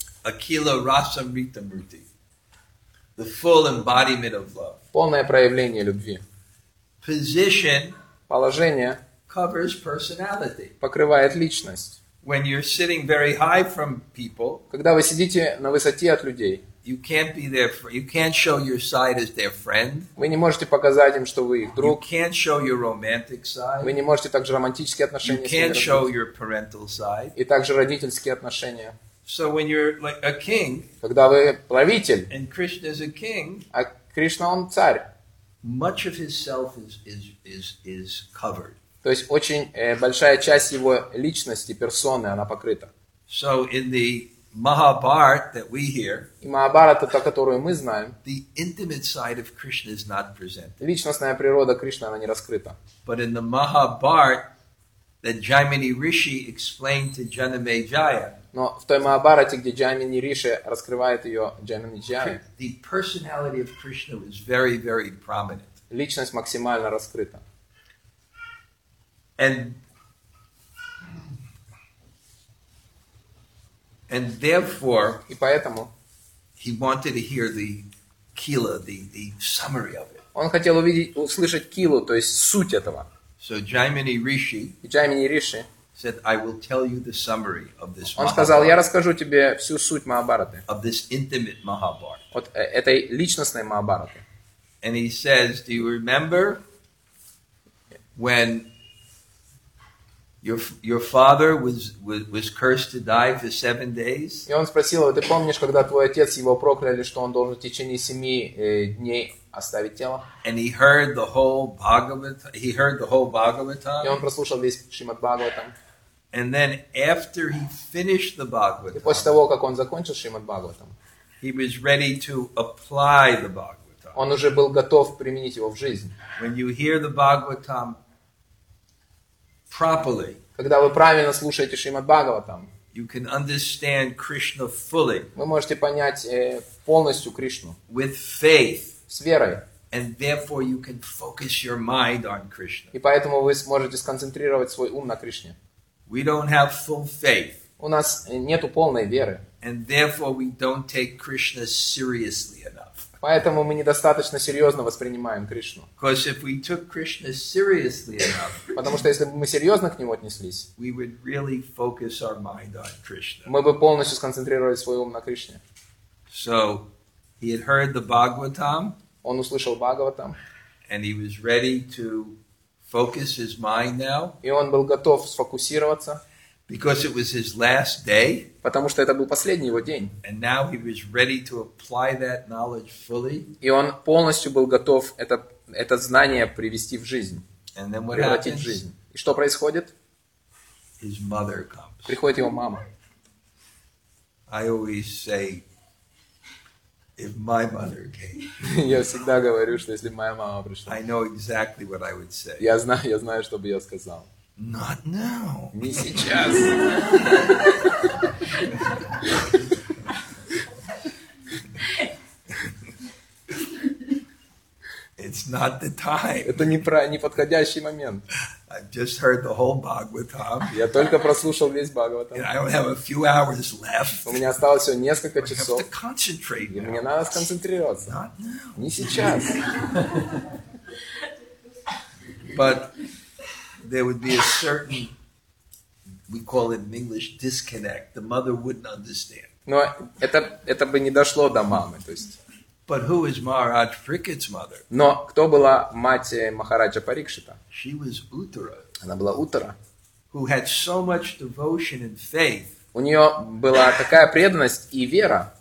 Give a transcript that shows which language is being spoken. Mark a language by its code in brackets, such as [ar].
[sa] Akila Rasamrita Murti. [en] The full embodiment of love. [ru] Полное проявление любви. [en] Position [ru] положение [en] covers personality. [ru] Покрывает личность. [en] When you're sitting very high from people, [ru] когда вы сидите на высоте от людей, [en] you can't be there for, you can't show your side as their friend. [ru] Вы не можете показать им, что вы их друг. [en] You can't show your romantic side. [ru] Вы не можете также романтические отношения. [en] You can't show your parental side. [ru] И также родительские отношения. [en] So when you're like a king, [ru] когда вы правитель, [en] and Krishna is a king, [ru] а Кришна он царь. [en] Much of his self is covered. [ru] То есть очень большая часть его личности, персоны, она покрыта. [en] So in the Mahabharata that we hear, [ru] и Махабхарата, та, которую мы знаем, [en] the intimate side of Krishna is not presented. [ru] Личностная природа Кришны, она не раскрыта. [en] But in the Mahabharata that Jaimini Rishi explained to Janamejaya, [ru] Но в той Махабарате, где Джаймини Риши раскрывает ее Джаймини Джами, [en] the personality of Krishna was very, very prominent. [ru] Личность максимально раскрыта. [en] And therefore, [ru] и поэтому, [en] he wanted to hear the kila, the summary of it. [ru] Он хотел увидеть, услышать килу, то есть суть этого. [en] So Jaimini Rishi, said, "I will tell you the summary of this." [ru] Он сказал, я расскажу тебе всю суть Махабараты. [en] Of this intimate Mahabharata. [ru] Вот этой личностной Махабараты. [en] And he says, "Do you remember when?" Your father was cursed to die for 7 days. [ru] И он спросил его: ты помнишь, когда твой отец его прокляли, что он должен в течение 7 дней оставить тело? [en] And he heard the whole Bhagavat. He heard the whole Bhagavatam. [ru] И он прослушал весь Шримад Бхагаватам. [en] And then after he finished the Bhagavatam. [ru] И после того, как он закончил Шримад Бхагаватам. [en] He was ready to apply the Bhagavatam. [ru] Он уже был готов применить его в жизнь. [en] When you hear the Bhagavatam. Properly, [ru] когда вы правильно слушаете Шримад Бхагаватам, [en] you can understand Krishna fully. [ru] Вы можете понять полностью Кришну. [en] With faith, [ru] с верой. [en] And therefore you can focus your mind on Krishna. [ru] И поэтому вы сможете сконцентрировать свой ум на Кришне. [en] We don't have full faith. [ru] У нас нету полной веры. [en] And therefore we don't take Krishna seriously enough. [ru] Поэтому мы недостаточно серьезно воспринимаем Кришну. [en] Because if we took Krishna seriously enough, [ru] потому что если бы мы серьезно к Нему отнеслись, [en] we would really focus our mind on Krishna. [ru] Мы бы полностью сконцентрировали свой ум на Кришне. [en] So, he had heard the Bhagavatam, [ru] он услышал Бхагаватам, [en] and he was ready to focus his mind now, [ru] и он был готов сфокусироваться. [en] Because it was his last day. [ru] Потому что это был последний его день. [en] And now he was ready to apply that knowledge fully. [ru] И он полностью был готов это знание привести в жизнь. [en] And then what happens? [ru] В жизнь. И что происходит? [en] His mother comes. [ru] Приходит его мама. [en] I always say, if my mother came. [ru] Я всегда говорю, что если моя мама пришла. [en] I know exactly what I would say. [ru] Я знаю, что бы я сказал. [en] Not now. [ru] Не сейчас. [en] It's not the time. [ru] Это не подходящий момент. [en] I just heard the whole Bhagavatam. [ru] Я только прослушал весь Бхагаватам. [en] And I only have a few hours left. [ru] У меня осталось всего несколько часов. [en] I have to concentrate. [ru] И мне надо сконцентрироваться. [en] Not now. [ru] Не сейчас. [en] But there would be a certain, we call it in English, disconnect. The mother wouldn't understand. [ru] Но это бы не дошло до мамы, то есть. [en] But who is Maharaj Parikshit's mother? [ru] Но кто была мать Махараджа Парикшита? [en] She was Uttara. [ru] Она была Уттара. [en] Who had so much devotion and faith. [ru] У нее была такая преданность и вера.